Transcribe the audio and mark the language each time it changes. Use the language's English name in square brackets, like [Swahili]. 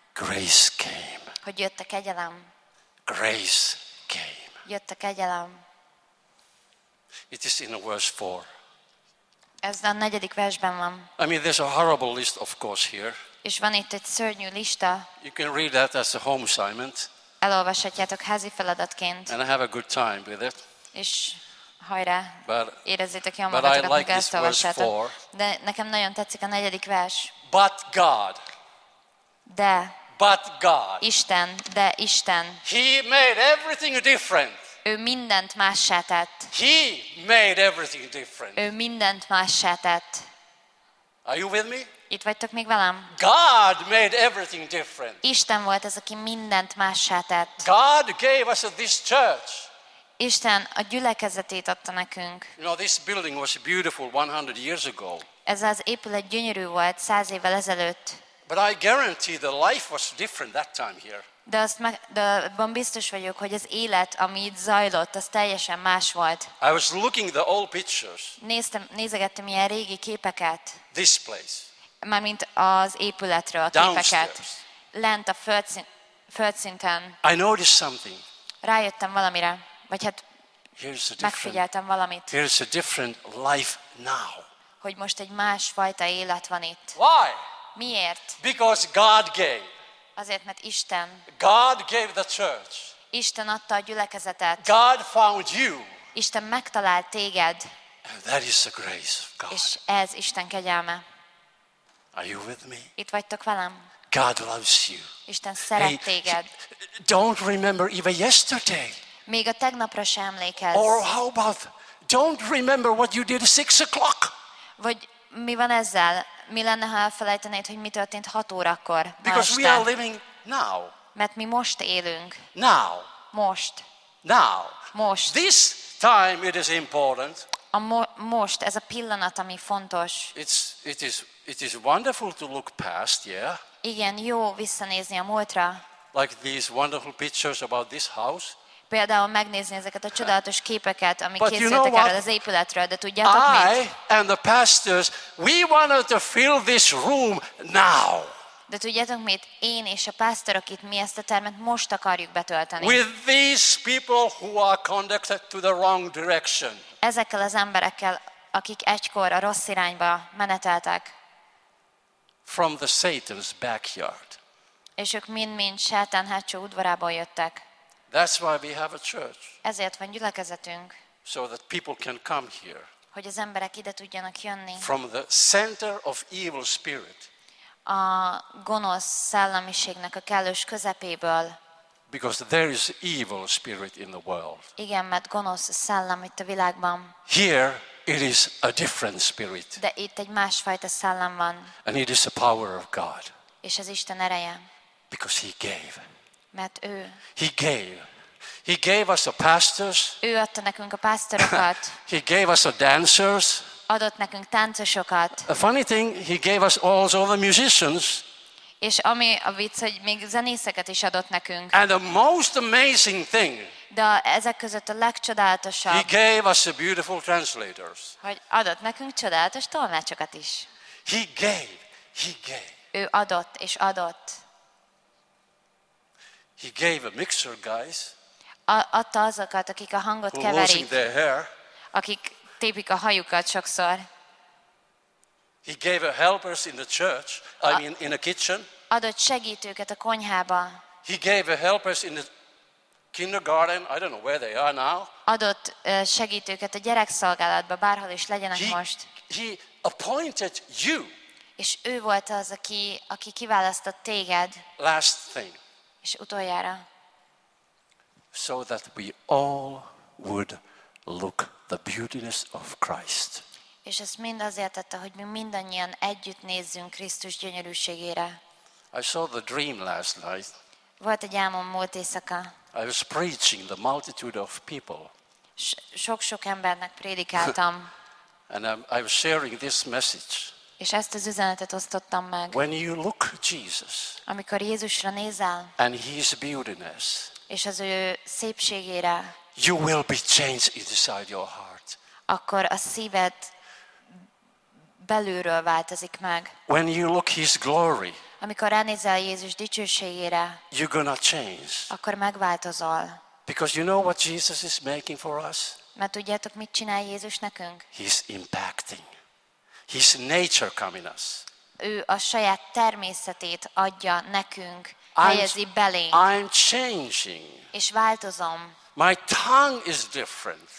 [English] Grace came. [Hungarian] Hogy jött a kegyelem. [English] Grace came. [Hungarian] Jött a kegyelem. [English] It is in verse 4. [Hungarian] Ez a negyedik versben van. [English] I mean, there's a horrible list, of course, here. [Hungarian] És van itt egy szörnyű lista. [English] You can read that as a home assignment. [Hungarian] Elolvashatjátok házi feladatként. [English] And I have a good time with it. [Hungarian] És hajrá, érezzétek jól magatokat, [English] like [Hungarian] amikor ezt olvassátok. De nekem nagyon tetszik a negyedik vers. [English] But God. [Hungarian] De. [English] But God. [Hungarian] Isten, de Isten. [English] He made everything different. [Hungarian] Ő mindent mássá tett. [English] He made everything different. [Hungarian] Ő mindent mássá tett. [English] Are you with me? [Hungarian] Itt vagytok még velem? [English] God made everything different. [Hungarian] Isten volt az, aki mindent mássá tett. [English] God gave us this church. [Hungarian] Isten a gyülekezetét adta nekünk. [English] You know, this building was beautiful 100 years ago. [Hungarian] Ez az épület gyönyörű volt 100 évvel ezelőtt. [English] But I guarantee the life was different that time here. [Hungarian] De azt meg, de abban biztos vagyok, hogy az élet, ami itt zajlott, az teljesen más volt. [English] I was looking the old pictures. [Hungarian] Nézegettem ilyen régi képeket. [English] This place. [Hungarian] Mármint az épületről a képeket. Lent a földszinten. [English] I noticed something. [Hungarian] Rájöttem valamire, vagy hát megfigyeltem valamit. [English] Here's a different life now. [Hungarian] Hogy most egy másfajta élet van itt. [English] Why? [Hungarian] Miért? [English] Because God gave. [Hungarian] Azért, mert Isten. [English] God gave the church. [Hungarian] Isten adta a gyülekezetet. [English] God found you. [Hungarian] Isten megtalált téged. [English] And that is the grace of God. [Hungarian] És ez Isten kegyelme. [English] Are you with me? [Hungarian] Itt vagytok velem. [English] God loves you. [Hungarian] Isten szeret téged. [English] Don't remember even yesterday. [Hungarian] Még a tegnapra sem emlékezz. [English] Or how about don't remember what you did at 6 o'clock? [Hungarian] Vagy mi van ezzel? Mi lenne, ha elfelejtenéd, hogy mi történt 6 órakor? [English] Because we are living now. [Hungarian] Mert mi most élünk. [English] Now. [Hungarian] Most. [English] Now. [Hungarian] Most. [English] This time it is important. [Hungarian] A most, ez a pillanat, ami fontos. [English] It is wonderful to look past, yeah. [Hungarian] Igen, jó visszanézni a múltra. [English] Like these wonderful pictures about this house. [Hungarian] Például megnézni ezeket a csodálatos képeket, amik készültek [English] you know [Hungarian] erről az épületről, de tudjátok mit? [English] I and the pastors, we wanted to fill this room now. [Hungarian] De tudjátok mit? Én és a pásztorok itt mi ezt a termet most akarjuk betölteni. [English] With these people who are conducted to the wrong direction. [Hungarian] Ezekkel az emberekkel, akik egykor a rossz irányba meneteltek. [English] From the Satan's backyard. [Hungarian] És ők mind-mind Sátán hátsó udvarából jöttek. [English] That's why we have a church. [Hungarian] Ezért van gyülekezetünk. [English] So that people can come here. [Hungarian] Hogy az emberek ide tudjanak jönni. [English] From the center of evil spirit. [Hungarian] A gonosz szellemiségnek a kellős közepéből. [English] Because there is evil spirit in the world. [Hungarian] Igen, mert gonosz szellem itt a világban. [English] Here it is a different spirit. [Hungarian] De itt egy másfajta szellem van. [English] And it is the power of God. [Hungarian] És ez Isten ereje. [English] Because he gave. [Hungarian] Mert ő. [English] He gave. He gave us the pastors. [Hungarian] Ő adta nekünk a pásztorokat. [English] He gave us the dancers. [Hungarian] Adott nekünk táncosokat. [English] A funny thing, he gave us also the musicians. [Hungarian] És ami a vicc, hogy még zenészeket is adott nekünk. [English] And the most amazing thing. [Hungarian] De ezek között a legcsodálatosabb. [English] He gave us the beautiful translators. [Hungarian] Hogy adott nekünk csodálatos tolmácsokat is. [English] He gave. He gave. [Hungarian] Ő adott és adott. [English] He gave a mixer guys. [Hungarian] Adta azokat, akik a hangot keverik. [English] Their hair. [Hungarian] Akik tépik a hajukat sokszor. [English] He gave a helpers in the church, I mean in a kitchen. [Hungarian] Adott segítőket a konyhába. [English] He gave a helpers in the kindergarten, I don't know where they are now. [Hungarian] Adott segítőket a gyerekszolgálatba, bárhol is legyenek most. [English] He appointed you. [Hungarian] És ő volt az, aki kiválasztott téged. [English] Last thing. [Hungarian] És utoljára. [English] So that we all would look the beautiness of Christ. [Hungarian] És ezt mind azért tette, hogy mi mindannyian együtt nézzünk Krisztus gyönyörűségére. [English] I saw the dream last night. [Hungarian] Volt egy álmom múlt éjszaka. [English] I was preaching the multitude of people. [Hungarian] Sok-sok embernek prédikáltam. [English] And I was sharing this message. [Hungarian] És ezt az üzenetet osztottam meg. [English] When you look Jesus. [Hungarian] Amikor Jézusra nézel. [English] And his beautiness. [Hungarian] És az ő szépségére. [English] You will be changed inside your heart. [Hungarian] Akkor a szíved belülről változik meg. [English] When you look his glory. [Hungarian] Amikor ránézel Jézus dicsőségére. [English] You're gonna change. [Hungarian] Akkor megváltozol. [English] Because you know what Jesus is making for us? [Hungarian] Mert tudjátok, mit csinál Jézus nekünk? [English] He's impacting. His nature coming us. [Hungarian] Ő a saját természetét adja nekünk, helyezi belénk. [English] I'm changing. [Hungarian] És változom. [English] My tongue is different.